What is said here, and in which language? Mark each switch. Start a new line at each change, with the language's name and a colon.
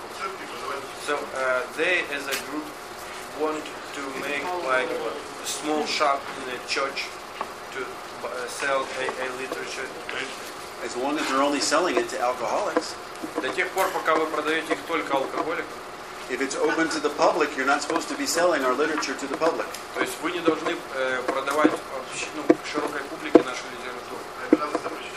Russian: церкви продавать.
English: So, they as a group want to make like a small shop in a church to sell a literature. As long as they're only selling it to alcoholics.
Russian: До тех пор, пока вы продаете их только алкоголикам.
English: If it's open to the public, you're not supposed to be selling our literature to the public.
Russian: То есть вы не должны продавать широкой публике нашу литературу.